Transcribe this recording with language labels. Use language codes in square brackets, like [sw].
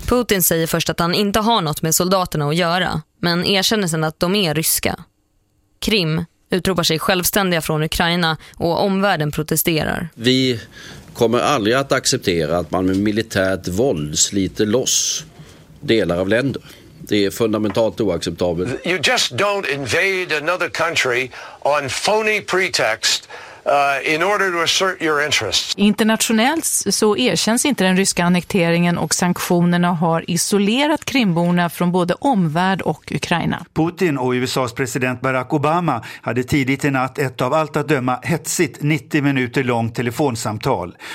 [sv] Putin säger först att han inte har något med soldaterna att göra, men erkänner sen att de är ryska. Krim utropar sig självständiga från Ukraina och omvärlden protesterar. Vi kommer aldrig att acceptera att man med militärt våld sliter loss delar av länder. Det är fundamentalt oacceptabelt. [en] You just don't invade another country on phony pretext in order to assert your interests. [sv] Internationellt så erkänns inte den ryska annekteringen och sanktionerna har isolerat krimborna från både omvärld och Ukraina. Putin och USAs president Barack Obama hade tidigt i natt ett av allt att döma hetsigt 90 minuter långt telefonsamtal.